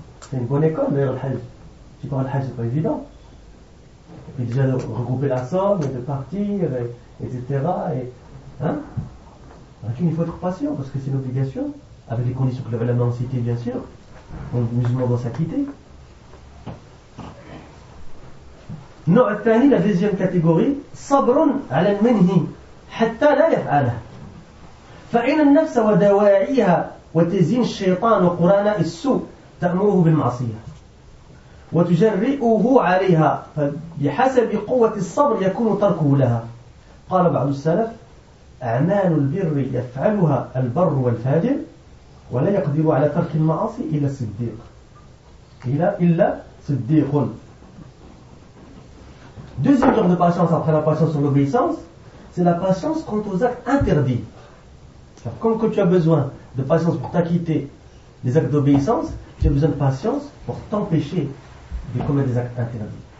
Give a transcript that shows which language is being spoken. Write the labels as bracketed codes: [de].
[fr] C'est une bonne école, d'ailleurs, le hajj. Tu parles le hajj, c'est pas évident. Et puis déjà, de regrouper la somme, et de partir, etc. Et, hein? Alors, il faut être patient, parce que c'est une obligation. Avec les conditions que le règlement en cité, bien sûr. Donc, le musulman doit s'acquitter. [ar] نوع الثاني [fr] la deuxième catégorie [ar] صبر على المنهي حتى لا يفعله فإن النفس ودواعيها وتزين الشيطان وقرانا السوء تأمره بالمعصية وتجرئه عليها فبحسب قوة الصبر يكون تركه لها قال بعض السلف أعمال البر يفعلها البر والفاجر ولا يقدر على ترك المعاصي إلا الصديق إلا صديق. [fr] Deuxième genre de patience après la patience sur l'obéissance, c'est la patience quant aux actes interdits. C'est-à-dire, comme que tu as besoin de patience pour t'acquitter des actes d'obéissance, tu as besoin de patience pour t'empêcher de commettre des actes interdits.